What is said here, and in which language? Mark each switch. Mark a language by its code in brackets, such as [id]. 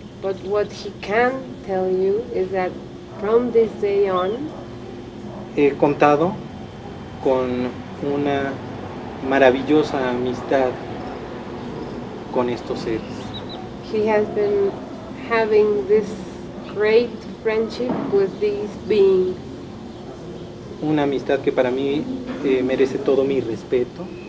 [en] But what he can tell you is that from this day on, [es] he contado con una maravillosa amistad con estos seres. [en] He has been having this great friendship with these beings. [es] Una amistad que para mí merece todo mi respeto.